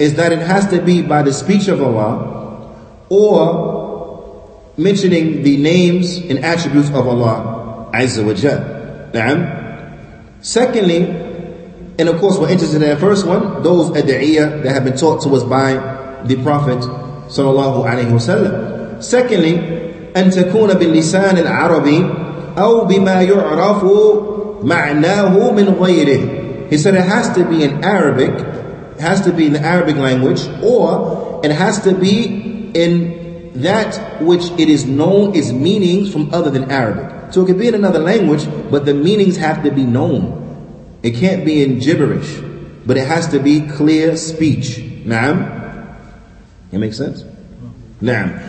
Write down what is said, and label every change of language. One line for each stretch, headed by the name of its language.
English: Is that it has to be by the speech of Allah or mentioning the names and attributes of Allah Azza wa Jal. Na'am. Secondly, and of course we're interested in that first one, those ad'iyah that have been taught to us by the Prophet sallallahu alaihi wasallam. Secondly,
Arabic: أن تكون باللسان العربي أو بما يعرف معناه من غيره.
English: He said it has to be in Arabic, it has to be in the Arabic language, or it has to be in that which it is known its meanings from other than Arabic. So it could be in another language, but the meanings have to be known. It can't be in gibberish, but it has to be clear speech. Naam? It makes sense? Naam.